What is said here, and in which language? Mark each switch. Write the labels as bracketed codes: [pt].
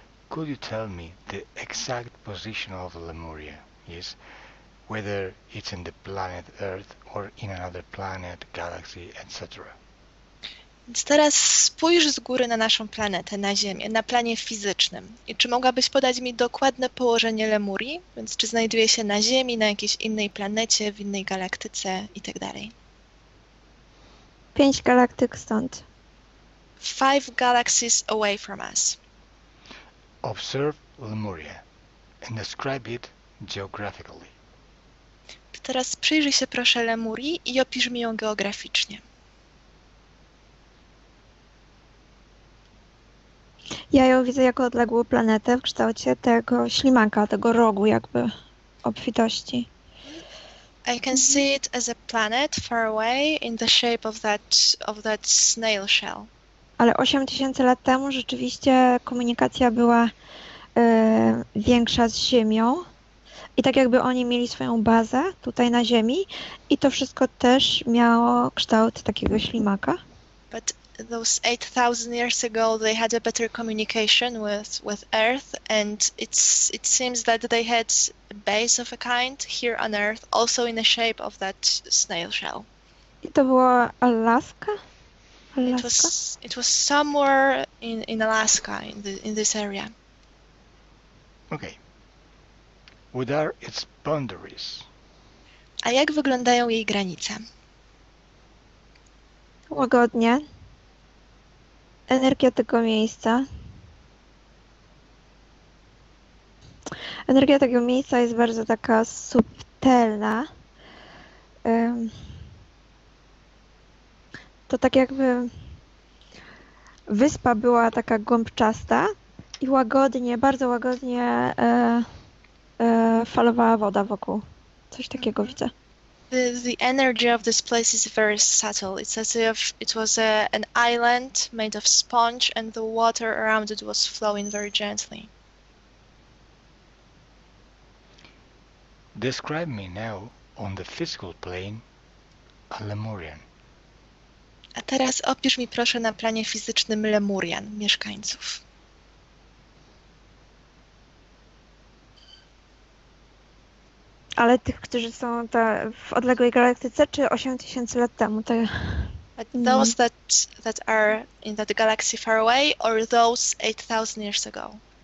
[en] Could you tell me the exact position of Lemuria, yes? Whether it's in the planet Earth or in another planet, galaxy, etc. [pl] Więc teraz spójrz z góry na naszą planetę, na Ziemię, na planie fizycznym. I czy mogłabyś podać mi dokładne położenie Lemurii? Więc czy znajduje się na Ziemi, na jakiejś innej planecie, w innej galaktyce itd. 5 galaktyk stąd. [en] 5 galaxies away from us. Observe Lemuria and describe it geographically. [pl] Teraz przyjrzyj się proszę Lemurii i opisz mi ją geograficznie. Ja ją widzę jako odległą planetę w kształcie tego ślimaka, tego rogu jakby obfitości. [en] I can see it as a planet far away in the shape of that snail shell. [pl] Ale 8000 lat temu rzeczywiście komunikacja była większa z Ziemią i tak jakby oni mieli swoją bazę tutaj na Ziemi i to wszystko też miało kształt takiego ślimaka. [en] But those 8000 years ago they had a better communication with Earth and it seems that they had a base of a kind here on Earth also in the shape of that snail shell. [pl] I to była Alaska. [en] It was somewhere in Alaska, in this area. Okay. What are its boundaries? [pl] A jak wyglądają jej granice? Łagodnie. Energia tego miejsca. Energia tego miejsca jest bardzo taka subtelna. To tak jakby wyspa była taka gąbczasta i łagodnie, bardzo łagodnie falowała woda wokół. Coś takiego widzę. [en] The energy of this place is very subtle. It's as if it was an island made of sponge and the water around it was flowing very gently. Describe me now on the physical plane a Lemurian. [pl] A teraz opisz mi proszę na planie fizycznym Lemurian, mieszkańców. Ale tych, którzy są w odległej galaktyce, czy 8000 lat temu, to [en] but those that are in that galaxy far away, or those 8000 years ago?